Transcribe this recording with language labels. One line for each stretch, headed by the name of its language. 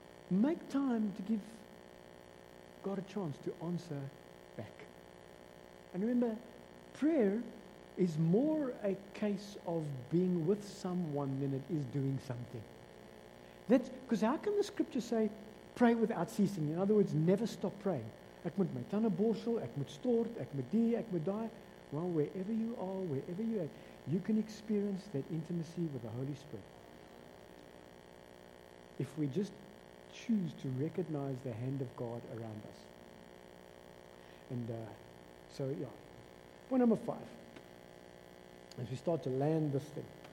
English: Make time to give God a chance to answer back. And remember, prayer is more a case of being with someone than it is doing something. That's because how can the scripture say, pray without ceasing? In other words, never stop praying.
Afrikaans: Ek moet my tanden borsel, ek moet stort, ek moet die, ek moet die.
English: Well, wherever you are, wherever you are, you can experience that intimacy with the Holy Spirit. If we just choose to recognize the hand of God around us. And so, yeah. Point number five. As we start to land this thing.